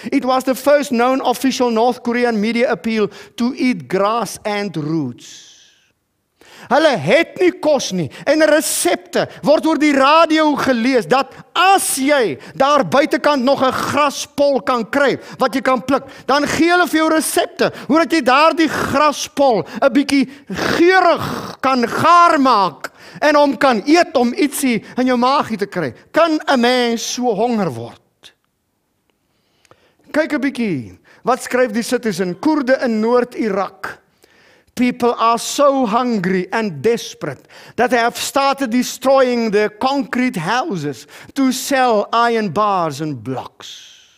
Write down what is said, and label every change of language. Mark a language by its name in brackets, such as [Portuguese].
[English] It was the first known official North Korean media appeal to eat grass and roots. [Afrikaans] Hulle het nie kos nie en resepte word oor die radio gelees dat as jy daar buitenkant nog 'n graspol kan kry wat jy kan pluk, dan gee hulle vir jou resepte hoe dat jy daar die graspol 'n bietjie geurig kan gaar maak en hom kan eet om ietsie in jou maagie te kry. Kan 'n mens so honger word? Kyk 'n bietjie, wat skryf die Citizen? Koerde in Noord-Irak. [English] People are so hungry and desperate that they have started destroying their concrete houses to sell iron bars and blocks.